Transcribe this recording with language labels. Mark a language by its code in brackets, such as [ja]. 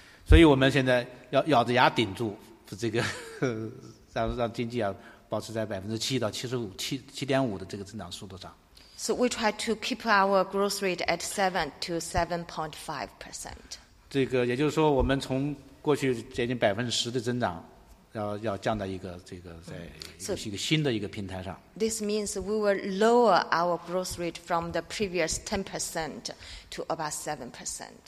[zh] 所以我们现在要咬着牙顶住。这个让经济啊保持在7%到7.5%的这个增长速度上。 [en] So we try to keep our growth rate at 7 to 7.5%. [zh] 这个也就是说，我们从过去接近10%的增长，要降到一个新的一个平台上。 [en] This means we will lower our growth rate from the previous 10% to about 7%.